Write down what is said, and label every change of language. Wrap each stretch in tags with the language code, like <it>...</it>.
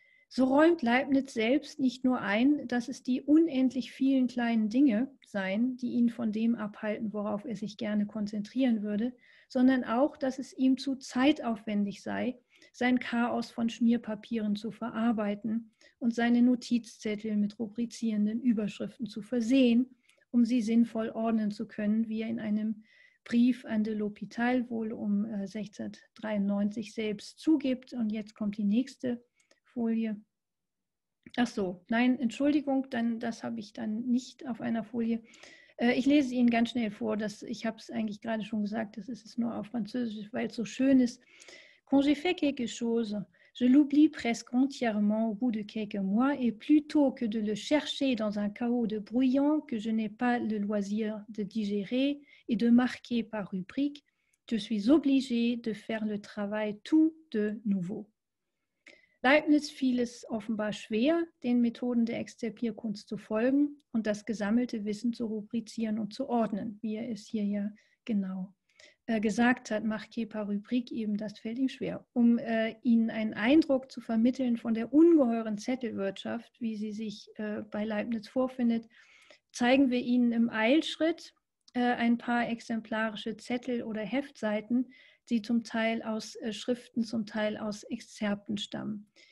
<de>So räumt Leibniz selbst nicht nur ein, dass es die unendlich vielen kleinen Dinge seien, die ihn von dem abhalten, worauf er sich gerne konzentrieren würde, sondern auch, dass es ihm zu zeitaufwendig sei, sein Chaos von Schmierpapieren zu verarbeiten und seine Notizzettel mit rubrizierenden Überschriften zu versehen, um sie sinnvoll ordnen zu können, wie er in einem Brief an de L'Hôpital wohl um 1693 selbst zugibt. Und jetzt kommt die nächste Folie. Ach so, nein, Entschuldigung, dann, das habe ich dann nicht auf einer Folie. Ich lese Ihnen ganz schnell vor, dass, ich habe es eigentlich gerade schon gesagt, das ist es nur auf Französisch, weil es so schön ist.</de> <fr>Quand j'ai fait quelque chose, je l'oublie presque entièrement au bout de quelques mois et plutôt que de le chercher dans un chaos de bruyant que je n'ai pas le loisir de digérer et de marquer par rubrique, je suis obligé de faire le travail tout de nouveau.</fr> <de>Leibniz fiel es offenbar schwer, den Methoden der Extirpierkunst zu folgen und das gesammelte Wissen zu rubrizieren und zu ordnen, wie er es hier ja genau gesagt hat.</de> <fr>Marqué par rubrique,</fr> <de>eben das fällt ihm schwer. Um Ihnen einen Eindruck zu vermitteln von der ungeheuren Zettelwirtschaft, wie sie sich bei Leibniz vorfindet, zeigen wir Ihnen im Eilschritt ein paar exemplarische Zettel oder Heftseiten, die zum Teil aus Schriften, zum Teil aus Exzerpten stammen.</de>